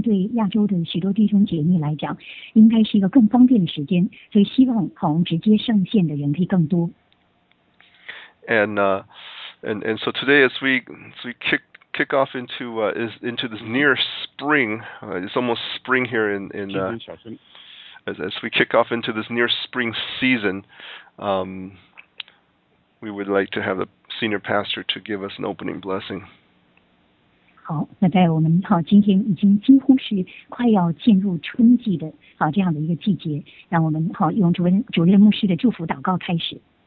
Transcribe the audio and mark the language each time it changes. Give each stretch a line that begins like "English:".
Chinese: 我相信这个改过的这个时间对亚洲的许多弟兄姐妹来讲, 应该是一个更方便的时间, 所以希望好像直接上线的人可以更多。
English: And so today as we kick off into this near spring, it's almost spring here as we kick off into this near spring season, we would like to have the senior pastor to give us an opening blessing.
Chinese: 好，那在我们今天已经几乎是快要进入春季的这样的一个季节，让我们用主任牧师的祝福祷告开始。